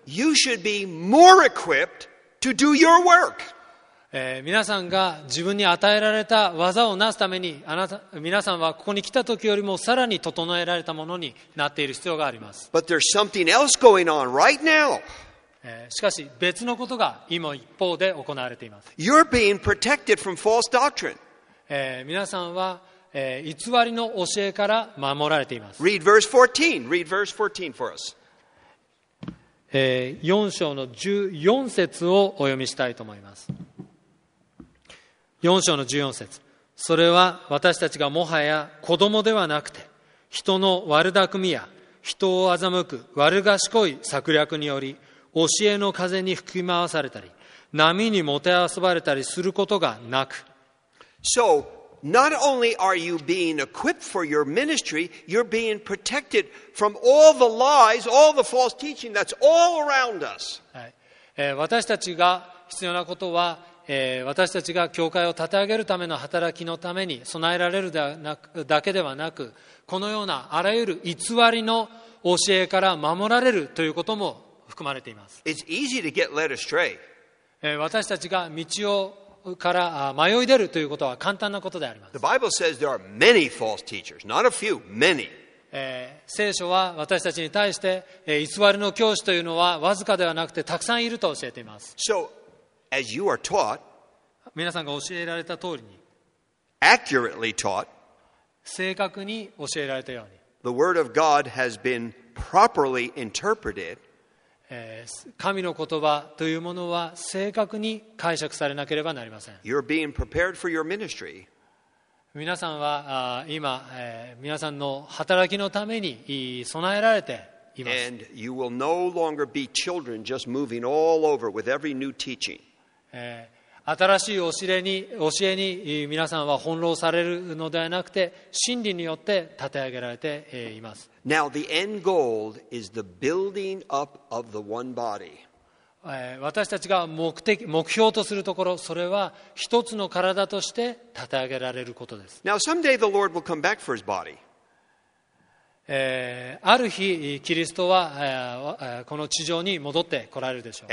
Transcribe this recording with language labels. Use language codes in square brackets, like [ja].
[en] you should be more equipped to do your work. [ja] 皆さんが自分に与えられた技をなすために、皆さんはここに来たときよりもさらに整えられたものになっている必要があります。 [en] But there's something else going on right now. [ja] しかし別のことが今一方で行われています。 [en] You're being protected from false doctrine. [ja] 皆さんは、偽りの教えから守られています。 [en] Read verse 14. Read verse 14 for us. [ja] 4章の14節をお読みしたいと思います。 4章の14節。それは私たちがもはや子供ではなくて、人の悪巧みや人を欺く悪賢い策略により、教えの風に吹き回されたり、波にもてあそばれたりすることがなく、 [en] So, not only are you being equipped for your ministry, you're being protected from all the lies, all the false teaching that's all around us. [ja] 私たちが必要なことは、私たちが教会を立て上げるための働きのために備えられるだけではなく、このようなあらゆる偽りの教えから守られるということも含まれています。 [en] It's easy to get led astray. [ja] 私たちが道をから迷い出るということは簡単なことであります。 [en] The Bible says there are many false teachers, not a few, many. [ja] 聖書は私たちに対して偽りの教師というのはわずかではなくてたくさんいると教えています。 [en] So, as you are taught, [ja] 皆さんが教えられた通りに、 [en] accurately taught, [ja] 正確に教えられたように、 [en] the word of God has been properly interpreted. [ja] 神の言葉というものは正確に解釈されなければなりません。 [en] You're being prepared for your ministry. [ja] 皆さんは今皆さんの働きのために備えられています。 [en] And you will no longer be children just moving all over with every new teaching. [ja] 新しい教えに皆さんは翻弄されるのではなくて真理によって立て上げられています。 [en] Now the end goal is the building up of the one body. [ja] 私たちが目標とするところ、それは一つの体として立て上げられることです。 [en] Now someday the Lord will come back for his body. [ja] ある日キリストはこの地上に戻ってこられるでしょう。